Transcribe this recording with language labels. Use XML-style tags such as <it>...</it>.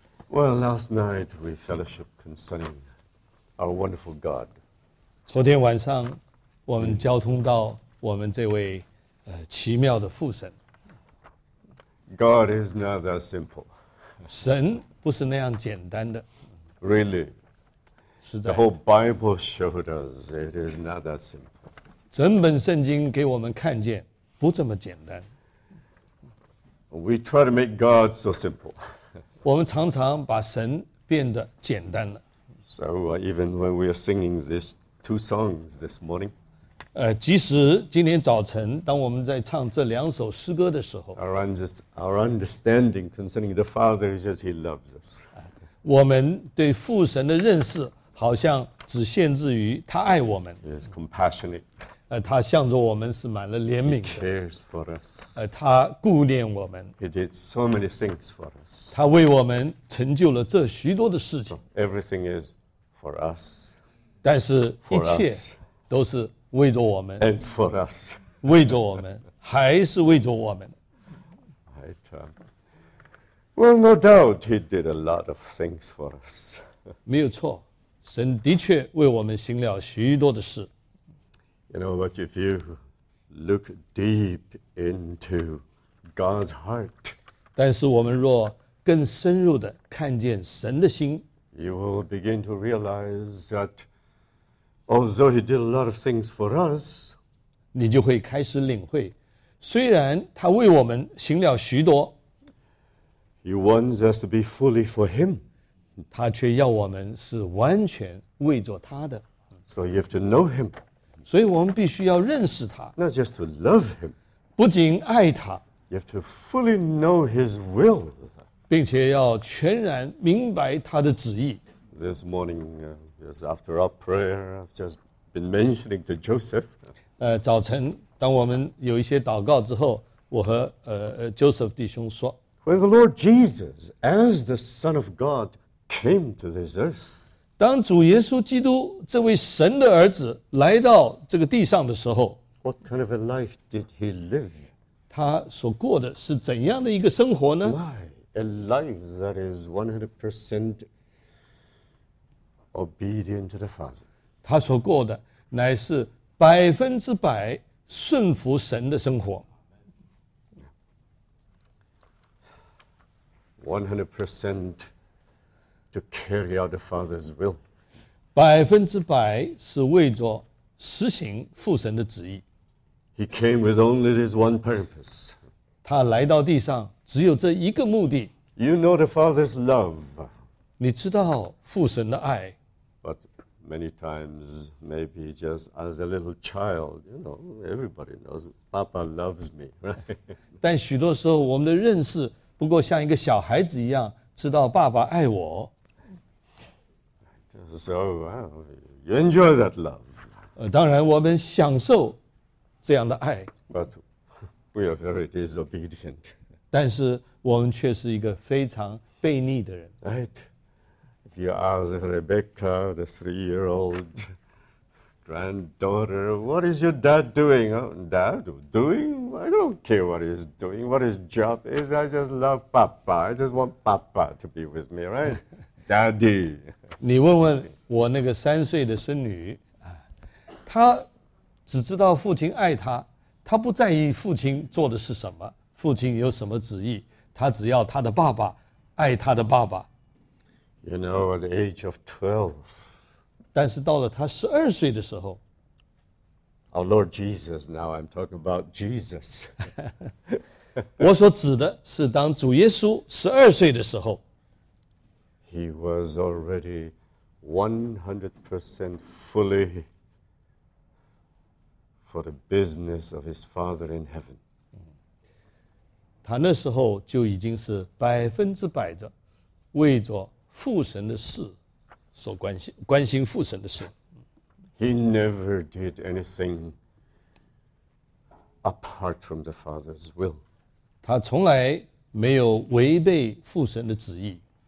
<en>Well, last night we fellowship concerning our wonderful God.</en> <zh>昨天晚上我们交通到我们这位奇妙的父神。</zh> <en>God is not that simple.</en> <zh>神不是那样简单的。</zh> <en>Really?</en> <zh>实在。</zh> <en>The whole Bible showed us it is not that simple.</en> <zh>整本圣经给我们看见不这么简单。</zh> <en>We try to make God so simple.</en> <zh>我们常常把神变得简单了。</zh> <en>So even when we are singing these two songs this morning,</en> <zh>即使今天早晨当我们在唱这两首诗歌的时候</zh> <en>our understanding concerning the Father is that he loves us.</en> <zh>我们对父神的认识好像只限制于他爱我们</zh> <en>He is compassionate.</en> <zh>他向着我们是满了怜悯的</zh> <en>He cares for us.</en> <zh>他顾念我们</zh> <en>He did so many things for us.</en> <zh>他为我们成就了这许多的事情</zh> <en>so, Everything is for us.</en> <zh>但是一切都是为着我们</zh> <en>，and for us，</en> <zh>为着我们，还是为着我们。</zh> <en>Right. Well, no doubt he did a lot of things for us.</en> <zh>没有错，神的确为我们行了许多的事。</zh> <en>You know, but if you look deep into God's heart,</en> <zh>但是我们若更深入的看见神的心</zh> <en>，you will begin to realize that. Although he did a lot of things for us,</en> <zh>你就会开始领会，虽然他为我们行了许多</zh> <en>，He wants us to be fully for him.</en> <zh>他却要我们是完全为着他的。</zh> <en>So you have to know him.</en> <zh>所以我们必须要认识他。</zh> <en>Not just to love him.</en> <zh>不仅爱他。</zh> <en>You have to fully know his will.</en> <zh>并且要全然明白他的旨意。</zh> <en>This morning. Just after our prayer, I've just been mentioning to Joseph.</en> <zh>早晨，当我们有一些祷告之后，我和Joseph 弟兄说</zh> <en>，When the Lord Jesus, as the Son of God, came to this earth,</en> <zh>当主耶稣基督这位神的儿子来到这个地上的时候</zh> <en>，What kind of a life did he live?</en> <zh>他所过的是怎样的一个生活呢</zh> <en>？Why a life that is 100%Obedient to the Father.</en> <zh>他所过的乃是百分之百顺服神的生活。</zh> <en>100% to carry out the Father's will.</en> <zh>百分之百是为着实行父神的旨意。</zh> <en>He came with only this one purpose.</en> <zh>他来到地上只有这一个目的。</zh> <en>You know the Father's love.</en> <zh>你知道父神的爱。</zh> <en>But many times, maybe just as a little child, you know, everybody knows Papa loves me, right?</en> <zh>但许多时候我们的认识不过像一个小孩子一样知道爸爸爱我。</zh> <en>So, you enjoy that love.</en> <zh>当然我们享受这样的爱。</zh> <en>But we are very disobedient.</en> <zh>但是我们却是一个非常悖逆的人。</zh> <en>Right. If you ask Rebecca, the three-year-old granddaughter, what is your dad doing? Dad, doing? I don't care what he's doing, what his job is. I just love Papa. I just want Papa to be with me, right? Daddy.</en> <zh>你问问我那个三岁的孙女，她只知道父亲爱她，她不在意父亲做的是什么，父亲有什么旨意，她只要她的爸爸爱她的爸爸。</zh> <en>You know, at the age of 12,</en> <zh>但是到了她十二岁的时候</zh> <en>，Our Lord Jesus. Now I'm talking about Jesus.</en> <zh>我所指的是当主耶稣十二岁的时候。</zh> <en>He was already 100% fully for the business of his Father in heaven.</en> <zh>他那时候就已经是百分之百的为着父神的事所关心父神的事。</zh> <en>He never did anything apart from the Father's will.</en> <zh>他从来没有违背父神的旨意。</zh>